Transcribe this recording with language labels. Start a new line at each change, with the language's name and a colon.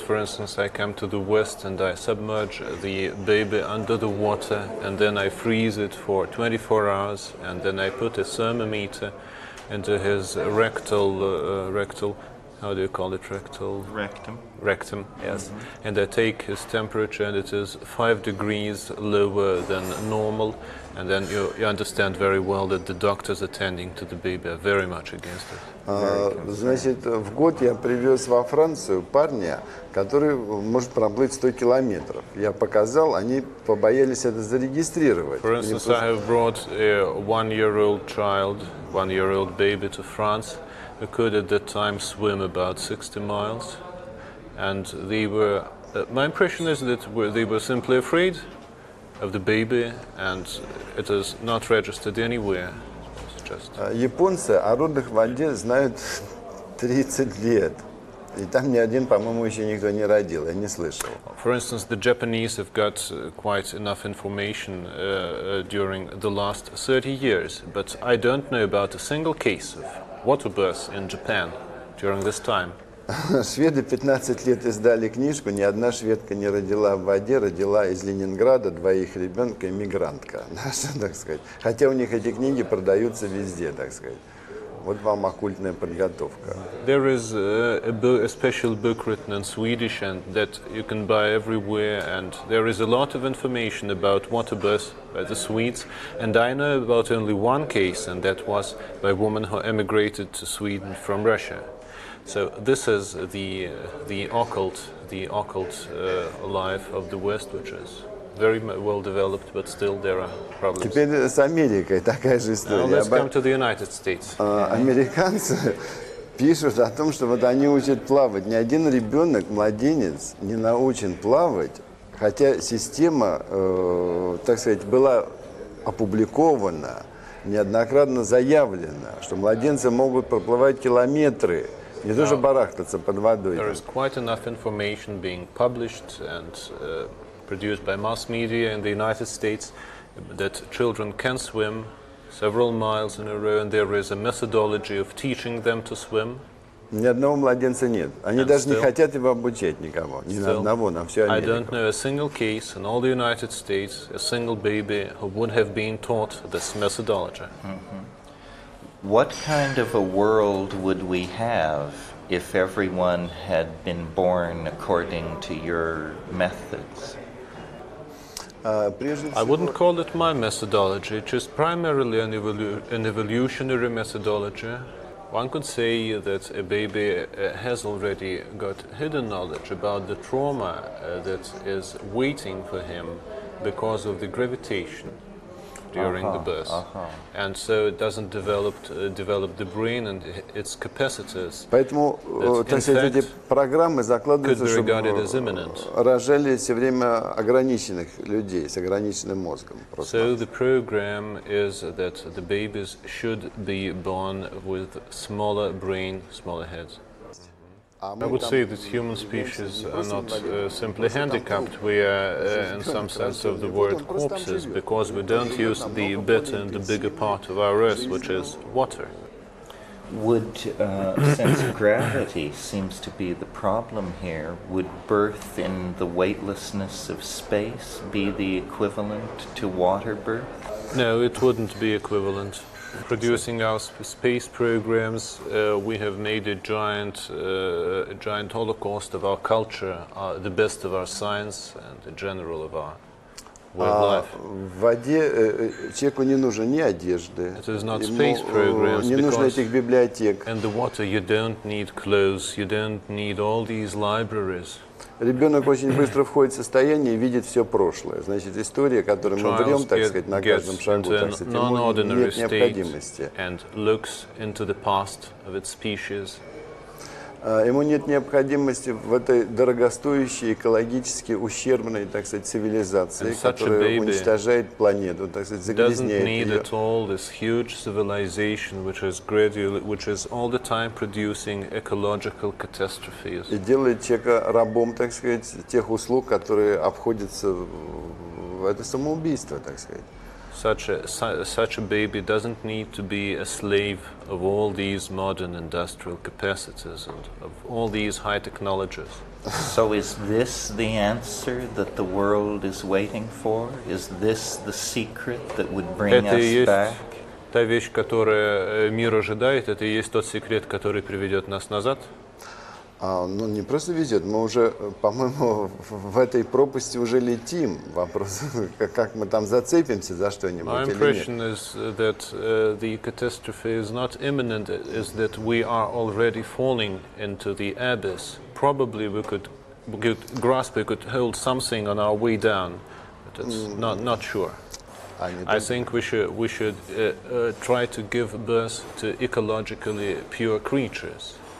English: For instance, I come to the West and I submerge the baby under the water, and then I freeze it for 24 hours, and then I put a thermometer into his rectum, yes. Mm-hmm. And I take his temperature, and it is 5 degrees lower than normal. And then you understand very well that the doctors attending to the baby are very much against it.
Russian: Значит, в год я привез во Францию парня, который может проплыть 100 километров. Я показал, они побоялись это зарегистрировать.
English: For instance, I have brought a one-year-old baby to France, who could at that time swim about 60 miles. And my impression is that they were simply afraid of the baby, and it is not registered anywhere.
Russian: Японцы о родах в воде знают 30 лет, и там ни один, по-моему, еще никто не родил, я не слышал.
English: For instance, the Japanese have got quite enough information during the last 30 years, but I don't know about a single case of water birth in Japan during this time.
Russian: Шведы 15 лет издали книжку, ни одна шведка не родила в воде, родила из Ленинграда двоих ребенка и мигрантка, наша, так сказать. Хотя у них эти книги продаются везде, так сказать. Вот вам оккультная подготовка.
English: There is a special book written in Swedish and that you can buy everywhere, and there is a lot of information about water birth by the Swedes, and I know about only one case, and that was by a woman who emigrated to Sweden from Russia. So this is the occult life of the West, which is very well developed, but still there are problems.
Russian: Теперь с Америкой такая же история.
English: Now let's come to the United States.
Russian: Американцы пишут о том, что вот они учат плавать. Ни один ребенок, младенец, не научен плавать, хотя система, так сказать, была опубликована, неоднократно заявлена, что младенцы могут проплывать километры.
English: Now, there is quite enough information being published and produced by mass media in the United States that children can swim several miles in a row, and there is a methodology of teaching them to swim.
Russian: Ни одного младенца нет. Они
English: and
Russian: даже
English: still,
Russian: не хотят его обучать никому. Ни
English: still,
Russian: на одного, на всю Америку.
English: I don't know a single case in all the United States, a single baby who would have been taught this methodology. Mm-hmm. What kind of a world would we have if everyone had been born according to your methods? I wouldn't call it my methodology, just primarily an evolutionary methodology. One could say that a baby has already got hidden knowledge about the trauma that is waiting for him because of the gravitation. during the birth. And so it doesn't develop the brain and its capacities.
Russian: Поэтому, то есть эти программы закладываются, чтобы рожали все время ограниченных людей с ограниченным мозгом.
English: So the program is that the babies should be born with smaller brain, smaller heads. I would say that human species are not simply handicapped. We are, in some sense of the word, corpses, because we don't use the better and the bigger part of our earth, which is water. Would sense of gravity seems to be the problem here? Would birth in the weightlessness of space be the equivalent to water birth? No, it wouldn't be equivalent. Producing our space programs, we have made a giant holocaust of our culture, the best of our science, and in general of our way of life.
Russian: В воде человеку не нужно ни одежды.
English: It is not space programs.
Russian: Не нужно этих библиотек.
English: In the water, you don't need clothes. You don't need all these libraries.
Russian: Ребенок очень быстро входит в состояние и видит все прошлое. Значит, история, которую мы врем, так сказать, на каждом шагу, так сказать, ему нет необходимости.
English: And looks into the past of its species.
Russian: Ему нет необходимости в этой дорогостоящей, экологически ущербной, так сказать, цивилизации, которая уничтожает планету, так сказать, загрязняет ее.
English: Doesn't need at all this huge civilization, which is all the time producing ecological catastrophes.
Russian: И делает человека рабом, так сказать, тех услуг, которые обходятся в это самоубийство, так сказать.
English: Such a baby doesn't need to be a slave of all these modern industrial capacities and of all these high technologies. So is this the answer that the world is waiting for? Is this the secret that would bring us back?
Russian: Та вещь, которую мир ожидает, это и есть тот секрет, который приведет нас назад? Ну, не просто везет, мы уже, по-моему, в этой пропасти уже летим. Вопрос, как мы там зацепимся за что-нибудь или нет.
English: My impression is that the catastrophe is not imminent, is that we are already falling into the abyss. Probably we could hold something on our way down, but it's not sure. I think we should try to give birth to ecologically pure creatures.